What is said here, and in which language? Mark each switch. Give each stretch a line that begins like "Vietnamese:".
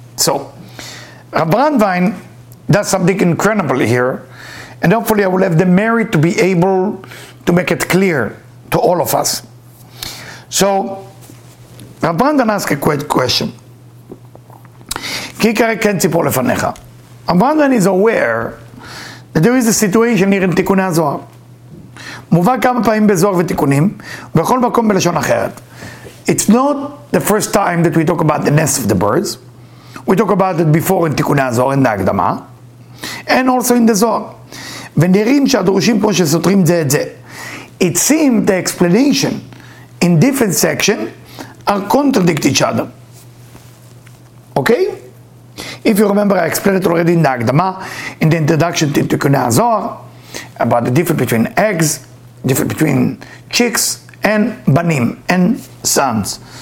English: So, Rav Brandwein does something incredible here, and hopefully I will have the merit to be able to make it clear to all of us. So, Rav Brandwein asks a great question.
Hebrew: Kikare ken tzipor lefanecha.
English: Rav Brandwein is aware that there is a situation here in Tikkuni HaZohar.
Hebrew: מובא כמה פעמים בזוהר ותיקונים, בכל מקום בלשון אחרת.
English: It's not the first time that we talk about the nest of the birds. We talk about it before in תיקוני הזוהר, in the הקדמה. And also in the זוהר.
Hebrew: ונראים שהדרושים פה שסותרים זה את זה.
English: It seems the explanation in different sections are contradict each other. Okay? If you remember, I explained it already in the הקדמה, in the introduction to תיקוני הזוהר, about the difference between eggs, difference between chicks and banim and sons.